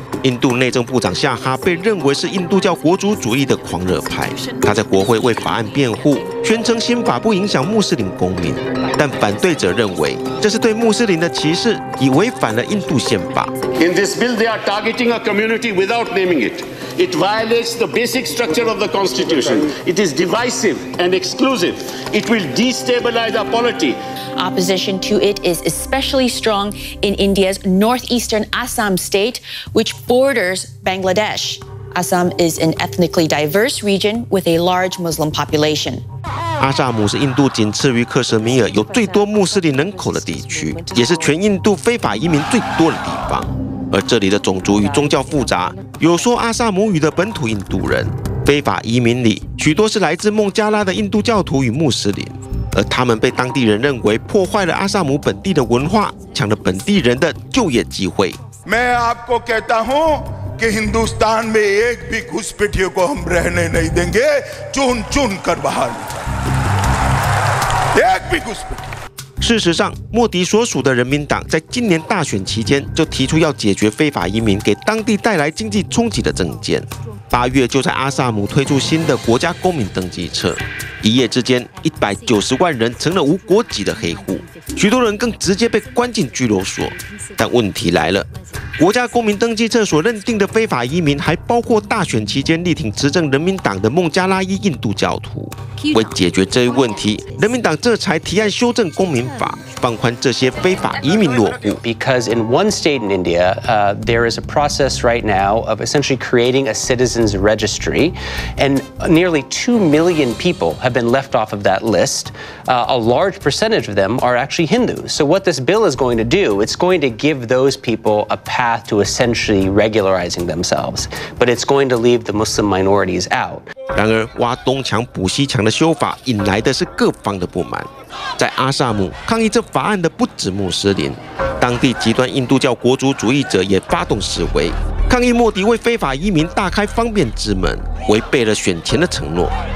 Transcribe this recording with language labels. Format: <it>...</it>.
<zh>印度内政部长夏哈被认为是印度教国族主义的狂热派，他在国会为法案辩护，宣称新法不影响穆斯林公民，但反对者认为这是对穆斯林的歧视，已违反了印度宪法。</zh> <en>In this bill, they are targeting a community without naming it. It violates the basic structure of the constitution. It is divisive and exclusive. It will destabilize our polity. Opposition to it is especially strong in India's northeastern Assam state, which borders Bangladesh. Assam is an ethnically diverse region with a large Muslim population.</en> <zh>阿萨姆是印度仅次于克什米尔有最多穆斯林人口的地区，也是全印度非法移民最多的地方。而这里的种族与宗教复杂，有说阿萨姆语的本土印度人，非法移民里许多是来自孟加拉的印度教徒与穆斯林。而他们被当地人认为破坏了阿萨姆本地的文化，抢了本地人的就业机会。</zh> <hi>मैं आपको कहता हूं कि हिंदुस्तान में एक भी घुसपैठियों को हम रहने नहीं देंगे, चुन चुन कर बाहर निकालेंगे, एक भी घुसपैठी。</hi> <zh>事实上，莫迪所属的人民党在今年大选期间就提出要解决非法移民给当地带来经济冲击的政见。八月就在阿萨姆推出新的国家公民登记册，一夜之间，190万人成了无国籍的黑户，许多人更直接被关进拘留所。但问题来了，国家公民登记册所认定的非法移民，还包括大选期间力挺执政人民党的孟加拉裔印度教徒。为解决这一问题，人民党这才提案修正公民法，放宽这些非法移民落户。</zh> <en>Because in one state in India, there is a process right now of essentially creating a citizens registry, and nearly 2 million people have been left off of that list. A large percentage of them are actually Hindu. So what this bill is going to do, it's going to give those people a path to essentially regularizing themselves, but it's going to leave the Muslim minorities out.</en> <zh>然而，挖东墙补西墙的修法引来的是各方的不满。在阿萨姆，抗议这法案的不止穆斯林，当地极端印度教国族主义者也发动示威，抗议莫迪为非法移民大开方便之门，违背了选前的承诺。</zh>